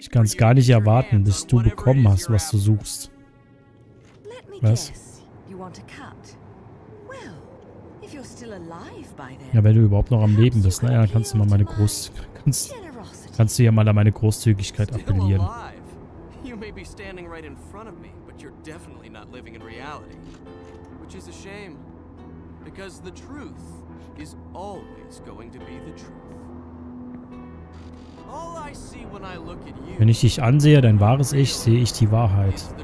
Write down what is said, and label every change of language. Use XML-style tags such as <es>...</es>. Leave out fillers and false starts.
<de>Ich kann's gar nicht erwarten, bis du bekommen hast, was du suchst.</de> <en>Let me guess. You want a cut? Well, if you're still alive by then.</en> <de>Ja, wenn du überhaupt noch am Leben bist, naja, dann kannst du mal meine Brust. Kannst du ja mal an meine Großzügigkeit appellieren.</de> <en>You may be standing right in front of me, but you're definitely not living in reality. Which is a shame, because the truth is always going to be the truth. All I see when I look at you.</en> <de>Wenn ich dich ansehe, dein wahres Ich, sehe ich die Wahrheit.</de>